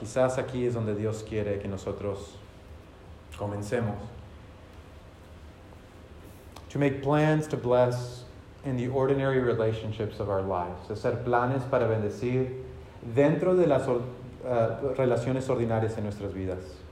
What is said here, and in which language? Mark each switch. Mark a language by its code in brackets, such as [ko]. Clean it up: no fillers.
[es] Quizás aquí es donde Dios quiere que nosotros comencemos. [en] To make plans to bless in the ordinary relationships of our lives. [es] Hacer planes para bendecir dentro de las relaciones ordinarias en nuestras vidas.